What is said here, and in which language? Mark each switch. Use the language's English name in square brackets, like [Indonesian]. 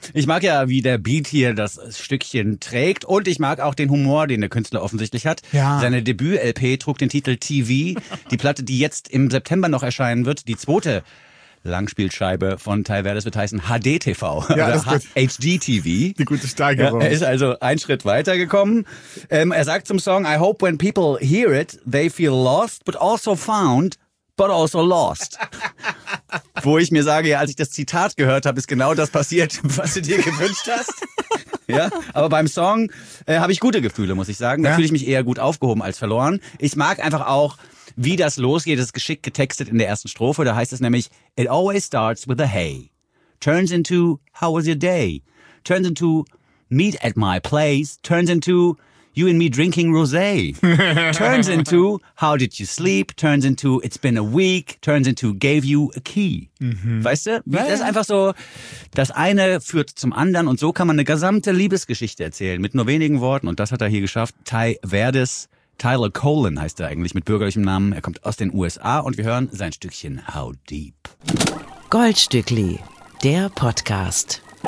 [German] Ich mag ja, wie der Beat hier das Stückchen trägt. Und ich mag auch den Humor, den der Künstler offensichtlich hat. Ja. Seine Debüt-LP trug den Titel TV. Die Platte, die jetzt im September noch erscheinen wird, die zweite Langspielscheibe von Ty Verdes wird heißen HDTV, ja, oder ist gut. HDTV. Die gute Steigerung. Ja, er ist also einen Schritt weiter gekommen. Er sagt zum Song, [English] I hope when people hear it, they feel lost, but also found, but also lost. [German] Wo ich mir sage, ja, als ich das Zitat gehört habe, ist genau das passiert, was du dir gewünscht hast. Ja, aber beim Song habe ich gute Gefühle, muss ich sagen. Da fühle ich mich eher gut aufgehoben als verloren. Ich mag einfach auch, wie das losgeht, ist geschickt getextet in der ersten Strophe. Da heißt es nämlich, [English] it always starts with a hey. Turns into, how was your day? Turns into, meet at my place. Turns into, you and me drinking rosé. Turns into, how did you sleep? Turns into, it's been a week. Turns into, gave you a key. Mhm. [German] Weißt du? Das ist einfach so, das eine führt zum anderen. Und so kann man eine gesamte Liebesgeschichte erzählen. Mit nur wenigen Worten. Und das hat er hier geschafft. Ty Verdes. Tyler Colon heißt er eigentlich mit bürgerlichem Namen. Er kommt aus den USA und wir hören sein Stückchen How Deep. Goldstückli, der Podcast.